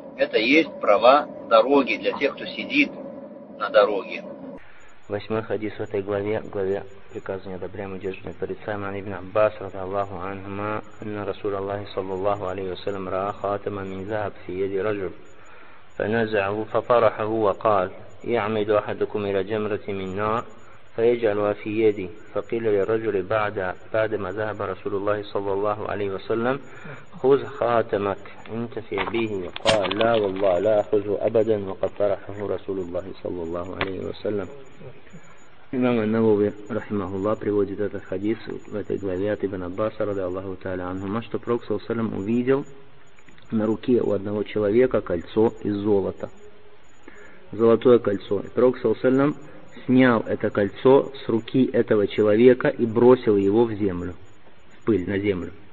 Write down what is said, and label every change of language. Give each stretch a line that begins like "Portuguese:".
Russian: Это есть права дороги для тех, кто сидит на дороге. Восьмой хадис в этой главе приказывание одобряемого и удерживание от порицаемого.
Arabic: Ибн Аббас, рада Аллаху анхума, анна Расул Аллахи, саллаллаху алейхи вассалям, раа хатама мин захаб фи яди раджул. فنزعه ففرحه وقال يعمد أحدكم إلى جمرة من نار فيجعلها في يدي فقيل للرجل بعدما ذهب رسول الله صلى الله عليه وسلم خذ خاتمك انتفع به قال لا والله لا أخذه أبدا وقد فرحه رسول الله صلى الله عليه وسلم. إمام النووي رحمه الله
Russian: приводит этот хадис в этой главе от Ибн Аббаса
Arabic: رضي الله تعالى عنه,
Russian: что пророк
Arabic: صلى الله عليه وسلم
Russian: увидел на руке у одного человека кольцо из золота. Золотое кольцо. И пророк салям снял это кольцо с руки этого человека и бросил его в землю, в пыль, на землю.